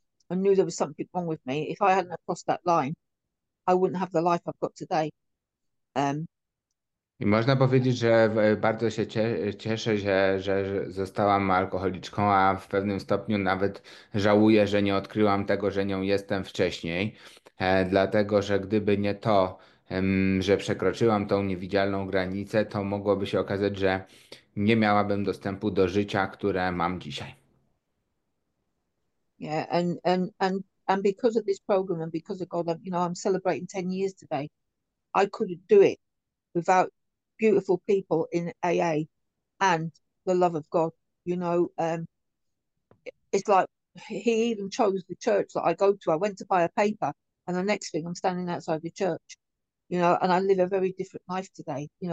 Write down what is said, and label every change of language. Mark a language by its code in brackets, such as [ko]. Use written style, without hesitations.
[en] I knew there was something wrong with me. If I hadn't crossed that line, I wouldn't have the life I've got today. [pl] I można powiedzieć, że bardzo się cieszę, że zostałam alkoholiczką, a w pewnym stopniu nawet żałuję, że nie odkryłam tego, że nią jestem wcześniej. Dlatego, że gdyby nie to, że przekroczyłam tą niewidzialną granicę, to mogłoby się okazać, że nie miałabym dostępu do życia, które mam dzisiaj. [en] Yeah, and because of this program and because of God, I'm celebrating 10 years today. I couldn't do it without beautiful people in AA and the love of God. It's like he even chose the church that I go to. I went to buy a paper, and the next thing I'm standing outside the church, and I live a very different life today.